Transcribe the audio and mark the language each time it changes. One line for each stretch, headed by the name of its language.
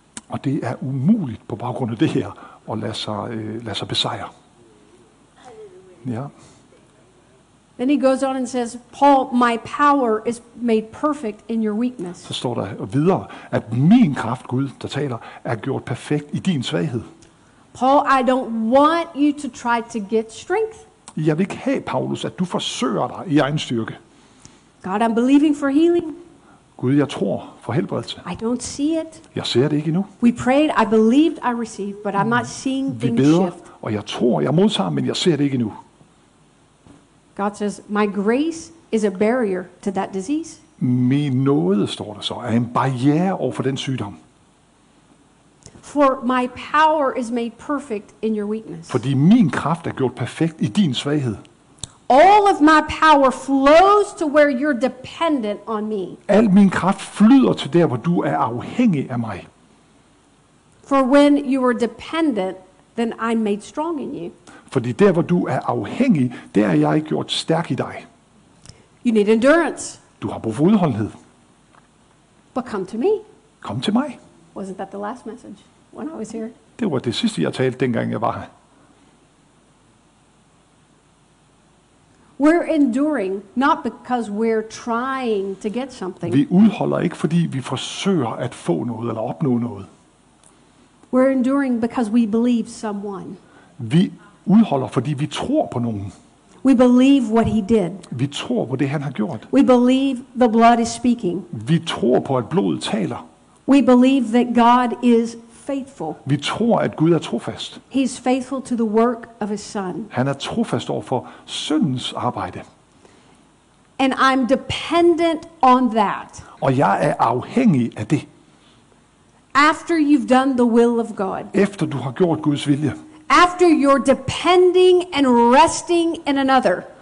Danish: Og det er umuligt på baggrund af det her at lade sig besejre. Ja.
English: Then he goes on and says, "Paul, my power is made perfect in your weakness."
Danish: Så står der videre, at min kraft, Gud, der taler, er gjort perfekt i din svaghed.
English: Paul, I don't want you to try to get strength.
Danish: Jeg vil ikke have, Paulus, at du forsøger dig i egen styrke.
English: God, I'm believing for healing.
Danish: Gud, jeg tror for helbredelse.
English: I don't see it.
Danish: Jeg ser det ikke endnu.
English: We prayed, I believed, I received, but I'm not seeing things shift.
Danish: Vi beder, og jeg tror, jeg modtager, men jeg ser det ikke endnu.
English: God says, my grace is a barrier to that disease.
Danish: Min nåde, står der så, er en barriere over for den sygdom.
English: For my power is made perfect in your weakness.
Danish: Fordi min kraft er gjort perfekt i din svaghed.
English: All of my power flows to where you're dependent on me.
Danish: Al min kraft flyder til der, hvor du er afhængig af mig.
English: For when you are dependent, then I'm made strong in you.
Danish: Fordi der, hvor du er afhængig, der er jeg gjort stærk i dig.
English: You need endurance.
Danish: Du har brug for udholdenhed.
English: But come to me.
Danish: Kom til mig.
English: Wasn't that the last message when I was here?
Danish: Det var det sidste, jeg talte, dengang jeg var her.
English: We're enduring not because we're trying to get something.
Danish: Vi udholder ikke fordi vi forsøger at få noget eller opnå noget.
English: We're enduring because we believe someone.
Danish: Vi udholder fordi vi tror på nogen.
English: We believe what he did.
Danish: Vi tror på det han har gjort.
English: We believe the blood is speaking.
Danish: Vi tror på at blodet taler.
English: We believe that God is faithful.
Danish: Vi tror at Gud er trofast.
English: He is faithful to the work of his son.
Danish: Han er trofast over for sønnens arbejde.
English: And I'm dependent on that.
Danish: Og jeg er afhængig af det.
English: After you've done the will of God.
Danish: Efter du har gjort Guds vilje.
English: After you're depending and resting in another.